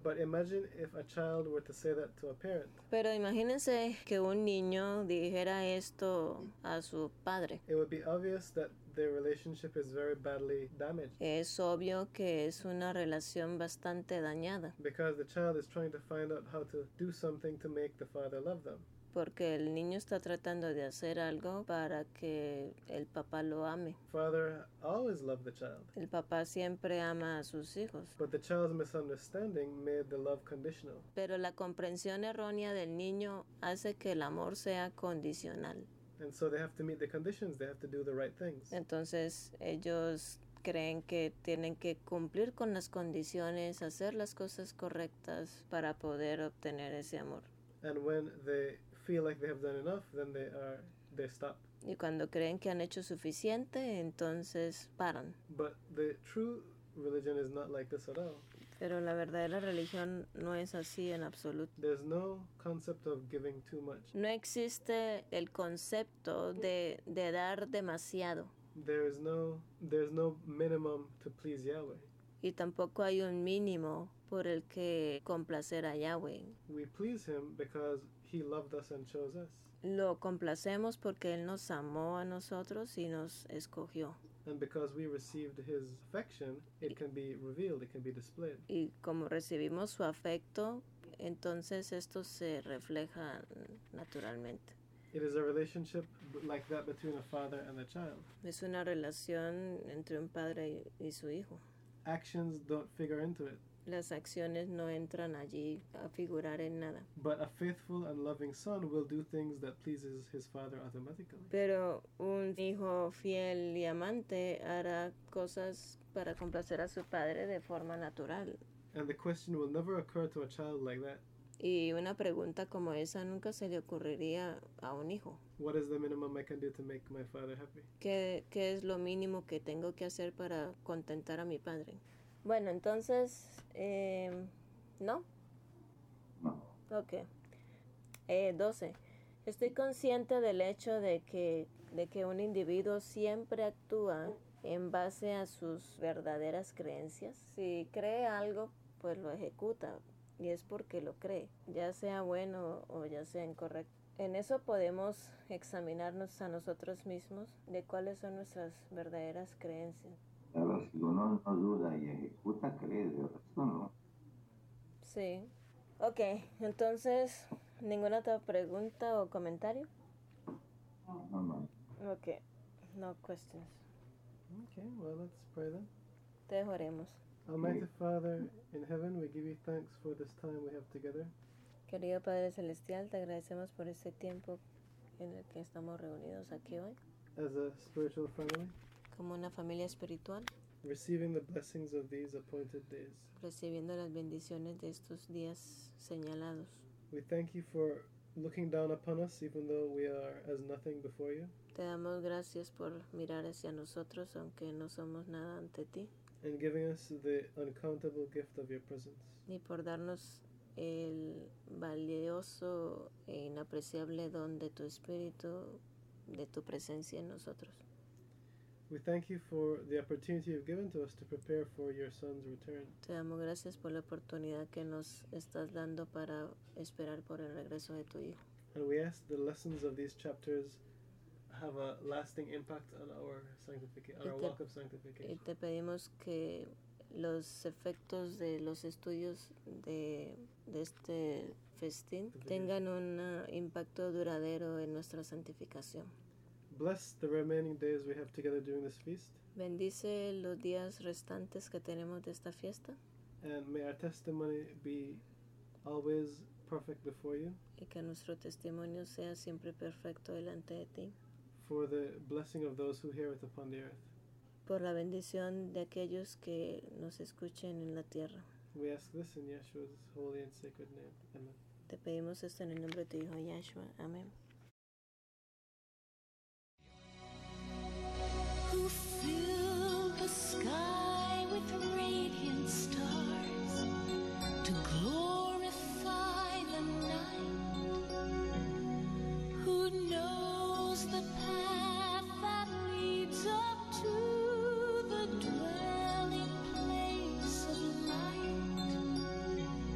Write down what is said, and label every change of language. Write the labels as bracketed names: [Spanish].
[English] But imagine if a child were to say that to a parent. [Spanish] Pero imagínense que un niño dijera esto a su padre. [English] It would be obvious that their relationship is very badly damaged. [Spanish] Es obvio que es una relación bastante dañada. [English] Because the child is trying to find out how to do something to make the father love them. [Spanish] Porque el niño está tratando de hacer algo para que el papá lo ame. [English] Father always loved the child. [Spanish] El papá siempre ama a sus hijos. [English] But the child's misunderstanding made the love conditional. [Spanish] Pero la comprensión errónea del niño hace que el amor sea condicional. [English] And so they have to meet the conditions, they have to do the right things. [Spanish] Entonces ellos creen que tienen que cumplir con las condiciones, hacer las cosas correctas para poder obtener ese amor. [English] And when they feel like they have done enough, then they stop. [Spanish] Y cuando creen que han hecho suficiente, entonces paran. [English] But the true religion is not like this at all. [Spanish] Pero la verdadera religión no es así en absoluto. [English] There's no concept of giving too much. [Spanish] No existe el concepto de dar demasiado. [English] There's no minimum to please Yahweh. [Spanish] Y tampoco hay un mínimo por el que complacer a Yahweh. [English] We please him because he loved us and chose us. [Spanish] Lo complacemos porque él nos amó a nosotros y nos escogió. [English] And because we received his affection, it can be revealed, it can be displayed. [Spanish] Y como recibimos su afecto, entonces esto se refleja naturalmente. [English] It is a relationship like that between a father and a child. [Spanish] Es una relación entre un padre y su hijo. [English] Actions don't figure into it. [Spanish] Las acciones no entran allí a figurar en nada. [English] But a faithful and loving son will do things that pleases his father automatically. [Spanish] Pero un hijo fiel y amante hará cosas para complacer a su padre de forma natural. [English] And the question will never occur to a child like that. [Spanish] Y una pregunta como esa nunca se le ocurriría a un hijo. [English] What is the minimum I can do to make my father happy? [Spanish] ¿Qué es lo mínimo que tengo que hacer para contentar a mi padre? Bueno, entonces, ¿no? No. Ok. 12. Estoy consciente del hecho de que un individuo siempre actúa en base a sus verdaderas creencias. Si cree algo, pues lo ejecuta, y es porque lo cree, ya sea bueno o ya sea incorrecto. En eso podemos examinarnos a nosotros mismos de cuáles son nuestras verdaderas creencias. Claro, si uno no duda y ejecuta, cree, de resto no. Sí. Ok, entonces, ¿ninguna otra pregunta o comentario? No. [English] Ok, no questions. Ok, well, let's pray then. [Spanish] Te oremos. [English] Almighty Father in heaven, we give you thanks for this time we have together. [Spanish] Querido Padre Celestial, te agradecemos por este tiempo en el que estamos reunidos aquí hoy. [English] As a spiritual family. [Spanish] Como una familia espiritual. [English] Receiving the blessings of these appointed days. [Spanish] Recibiendo las bendiciones de estos días señalados. [English] We thank you for looking down upon us, even though we are as nothing before you. [Spanish] Te damos gracias por mirar hacia nosotros, aunque no somos nada ante ti. [English] And giving us the uncountable gift of your presence. [Spanish] Y por darnos el valioso e inapreciable don de tu espíritu, de tu presencia en nosotros. [English] We thank you for the opportunity you've given to us to prepare for your son's return. [Spanish] Te damos gracias por la oportunidad que nos estás dando para esperar por el regreso de tu hijo. [English] And we ask the lessons of these chapters have a lasting impact on our sanctification, our walk of sanctification. [Spanish] Y te pedimos que los efectos de los estudios de este festín tengan un impacto duradero en nuestra santificación. [English] Bless the remaining days we have together during this feast. [Spanish] Bendice los días restantes que tenemos de esta fiesta. [English] And may our testimony be always perfect before you. [Spanish] Y que nuestro testimonio sea siempre perfecto delante de ti. [English] For the blessing of those who hear it upon the earth. [Spanish] Por la bendición de aquellos que nos escuchen en la tierra. [English] We ask this in Yeshua's holy and sacred name. Amen. [Spanish] Te pedimos esto en el nombre de tu hijo Yeshua. Amén. [English] Who filled the sky with radiant stars to glorify the night? Who knows the path that leads up to the dwelling place of light?